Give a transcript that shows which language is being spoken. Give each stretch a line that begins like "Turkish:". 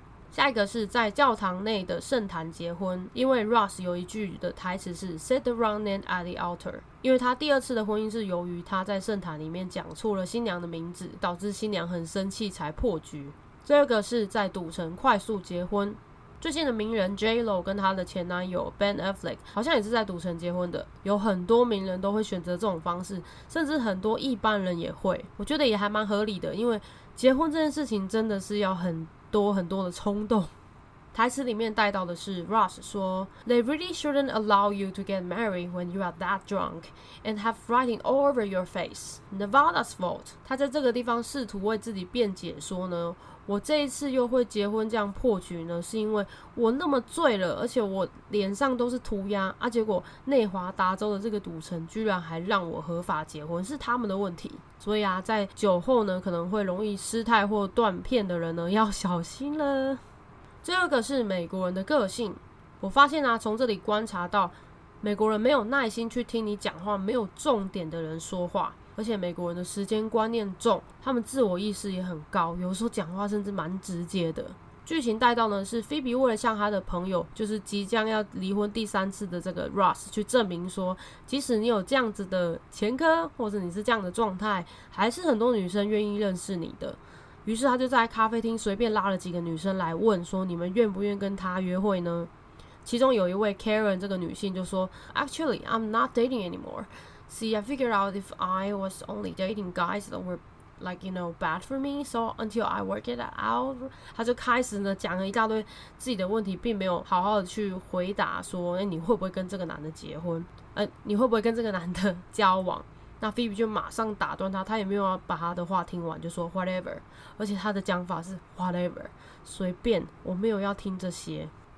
Chinese: 下一个是在教堂内的圣坛结婚，因为 Ross 有一句的台词是
English: Set the wrong name at the altar，
Chinese: 因为他第二次的婚姻是由于他在圣坛里面讲错了新娘的名字，导致新娘很生气才破局。这个是在赌城快速结婚，最近的名人 JLo 跟他的前男友 Ben Affleck 好像也是在赌城结婚的，有很多名人都会选择这种方式，甚至很多一般人也会，我觉得也还蛮合理的，因为结婚这件事情真的是要很多很多的冲动。台词里面带到的是 Rush 说
English: They really shouldn't allow you to get married when you are that drunk and have writing all over your face. Nevada's fault.
Chinese: 他在这个地方试图为自己辩解说呢，我这一次又会结婚这样破局呢，是因为我那么醉了，而且我脸上都是涂鸦啊，结果内华达州的这个赌城居然还让我合法结婚，是他们的问题。所以啊，在酒后呢可能会容易失态或断片的人呢要小心了。最后一个是美国人的个性，我发现啊，从这里观察到美国人没有耐心去听你讲话没有重点的人说话，而且美国人的时间观念重，他们自我意识也很高，有时候讲话甚至蛮直接的。剧情带到呢是菲比为了向他的朋友，就是即将要离婚第三次的这个 Russ 去证明说，即使你有这样子的前科或者你是这样的状态，还是很多女生愿意认识你的。于是他就在咖啡厅随便拉了几个女生来问说，你们愿不愿跟他约会呢？其中有一位 Karen 这个女性就说
English: Actually, I'm not dating anymore. See, I figured out if I was only dating guys that were like, you know, bad for me. So until I work it out.
Chinese: 他就开始呢讲了一大堆自己的问题，并没有好好的去回答说，欸，你会不会跟这个男的结婚，你会不会跟这个男的交往。那 Phoebe 就马上打断他，他也没有要把他的话听完，就说 whatever， 而且他的讲法是 whatever， 随便，我没有要听这些。